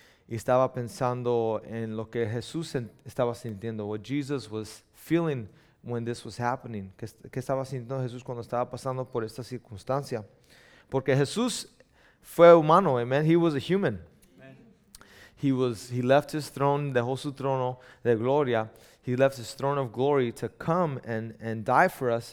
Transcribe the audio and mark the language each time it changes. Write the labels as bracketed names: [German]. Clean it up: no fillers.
[Spanish] Y estaba pensando en lo que Jesús estaba sintiendo. [English] What Jesus was feeling when this was happening. [Spanish] ¿Qué estaba sintiendo Jesús cuando estaba pasando por esta circunstancia? Porque Jesús fue humano, amen. [English] He was a human. He left his throne, [Spanish] dejó su trono de gloria. [English] He left his throne of glory to come and die for us.